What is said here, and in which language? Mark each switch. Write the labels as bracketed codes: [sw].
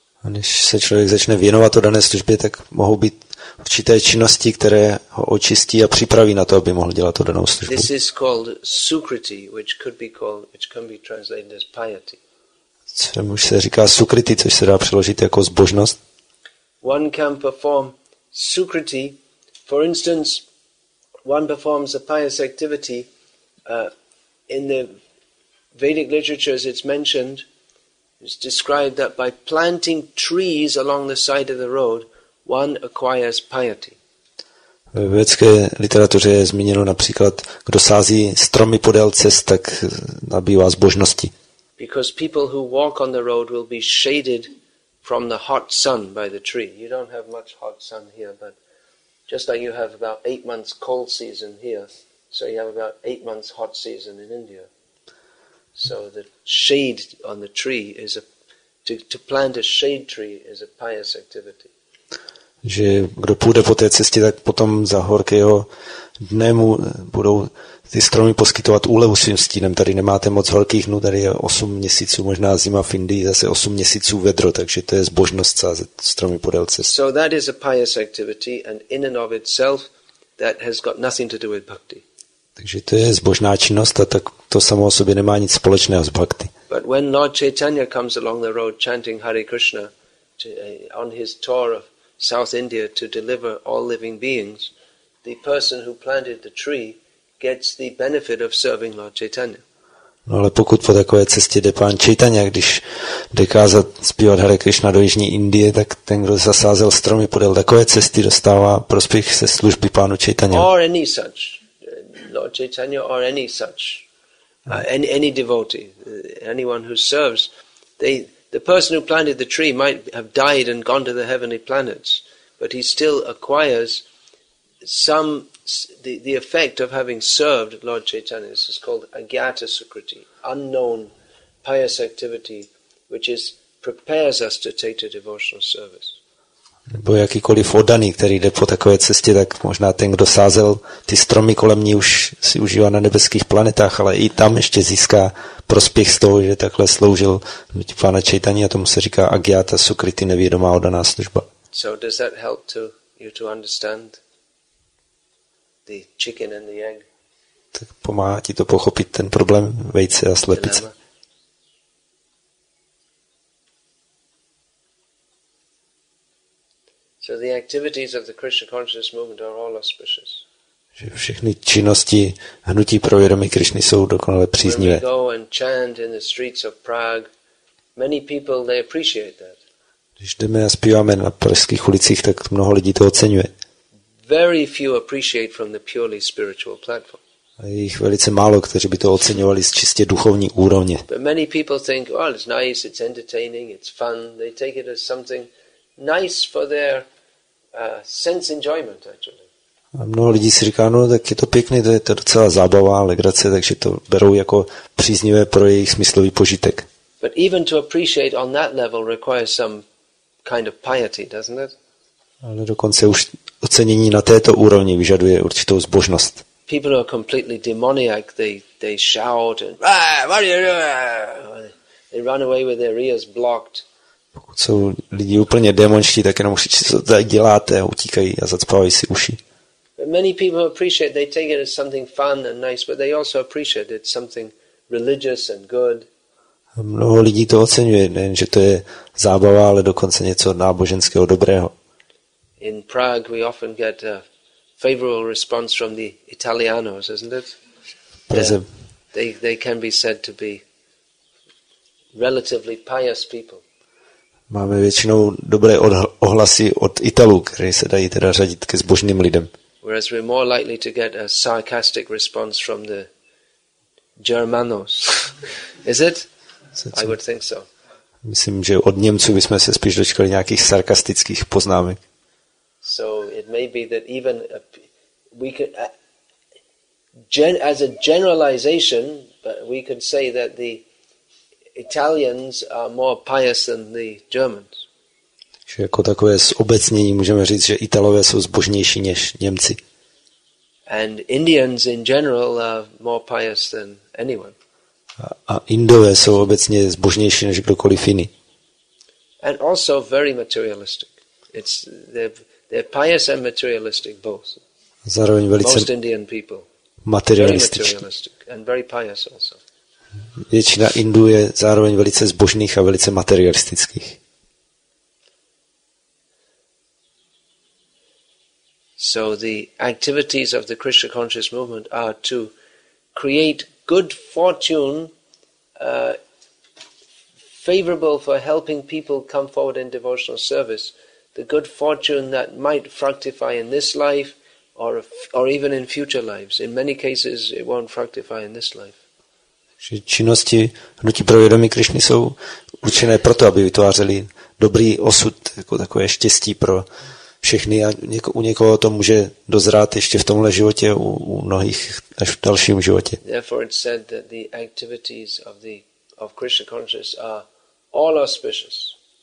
[cs] A když se člověk začne věnovat o dané službě, tak mohou být určité činnosti, které ho očistí a připraví na to, aby mohl dělat o danou službu. [en] This is called sukriti, which can be translated as piety. [cs] Což se říká sukriti, což se dá přeložit jako zbožnost. [en] One can perform sukriti, for instance, one performs a pious activity. In the Vedic literatures, it's mentioned, it's described that by planting trees along the side of the road, one acquires piety. [cs] V vědecké literatuře je zmíněno například, kdo sází stromy podél cest, tak nabývá zbožnosti. [en] Because people who walk on the road will be shaded from the hot sun by the tree. You don't have much hot sun here, but just like you have about 8 months cold season here, so you have about 8 months hot season in India. So the shade on the tree is to plant a shade tree is a pious activity. [cs] Že kdo půjde po té cestě, tak potom za horkého dne mu budou ty stromy poskytovat úlevu svým stínem. Tady nemáte moc horkých dnů, tady je 8 měsíců, možná zima v Indii, zase 8 měsíců vedro, takže to je zbožnost sázet stromy podél cesty. [en] So that is a pious activity and in and of itself that has got nothing to do with bhakti. [cs] Takže to je zbožná činnost a tak to samo o sobě nemá nic společného s bhakti. [en] But when Lord Chaitanya comes along the road chanting Hare Krishna on his tour of South India to deliver all living beings, the person who planted the tree gets the benefit of serving Lord Chaitanya. [cs] No ale pokud po takové cestě jde pán Chaitanya, když jde kázat zpívat Hare Krishna do jižní Indie, tak ten, kdo zasázel stromy podél takové cesty, dostává prospěch se služby pánu Chaitanya. [en] Or any such Lord Chaitanya or any such any devotee, anyone who serves, the person who planted the tree might have died and gone to the heavenly planets, but he still acquires the effect of having served Lord Chaitanya. This is called agyata sukriti, unknown pious activity, which is prepares us to take the devotional service. [cs] Nebo jakýkoliv oddaný, který jde po takové cestě, tak možná ten, kdo sázel ty stromy kolem ní, už si užívá na nebeských planetách, ale i tam ještě získá prospěch z toho, že takhle sloužil pána Čejtaní a tomu se říká agyata sukriti, nevědomá oddaná služba. [en] So does that help you to understand the chicken and the egg? [cs] Tak pomáhá ti to pochopit ten problém vejce a slepice. Dilema. [en] So the activities of the Krishna consciousness movement are all auspicious. [cs] Že všechny činnosti hnutí pro vědomí Krishny jsou dokonale příznivé. [en] When we go and chant in the streets of Prague, many people they appreciate that. [cs] Když jdeme a zpíváme na pražských ulicích, tak mnoho lidí to oceňuje. [en] very few appreciate from the purely spiritual platform. [cs] Jich velice málo, kteří by to oceňovali z čistě duchovní úrovně. [en] But many people think, well, it's nice, it's entertaining, it's fun. They take it as something nice for their sense enjoyment, actually. [cs] A mnoho lidí si říká, no, tak je to pěkné, to je to docela zábava, legrace, takže to berou jako příznivé pro jejich smyslový požitek. [en] But even to appreciate on that level requires some kind of piety, doesn't it? [cs] Ale dokonce už ocenění na této úrovni vyžaduje určitou zbožnost. [en] People who are completely demoniac, they shout and what are you doing? They run away with their ears blocked. [cs] Pokud jsou lidi úplně démonští, tak jenom říct, co tady děláte, utíkají a zacpávají si uši. [en] But many people appreciate, they take it as something fun and nice, but they also appreciate it's something religious and good. [cs] A mnoho lidí to oceňuje, nejen, že to je zábava, ale dokonce něco náboženského dobrého. [en] In Prague we often get a favorable response from the Italianos, isn't it? They can be said to be relatively pious people. [cs] Máme většinou dobré ohlasy od Italů, kteří se dají teda řadit ke zbožným lidem. [en] Whereas we're more likely to get a sarcastic response from the Germanos. Is it? I would think so. [cs] Myslím, že od Němců bychom se spíš dočkali nějakých sarkastických poznámek. [en] So it may be that even we could, as a generalization, but we could say that the Italians are more pious than the Germans. [cs] Že jako takové zobecnění můžeme říct, že Italové jsou zbožnější než Němci. [en] And Indians in general are more pious than anyone. [cs] A Indové jsou obecně zbožnější než kdokoliv jiný. [en] And also very materialistic. It's they're pious and materialistic both. [cs] Zároveň velice [en] most Indian people. Materialistic and very pious also. [cs] Většina Indů je zároveň velice zbožných a velice materialistických. [en] So the activities of the Krishna conscious movement are to create good fortune favorable for helping people come forward in devotional service. The good fortune that might fructify in this life or even in future lives. In many cases it won't fructify in this life. [cs] Že činnosti hnutí pro vědomí Krišny jsou určené proto, aby vytvářeli dobrý osud, jako takové štěstí pro všechny a u někoho to může dozrát ještě v tomhle životě, u mnohých až v dalším životě. [en] Therefore it's said that the activities of Krishna consciousness are all auspicious.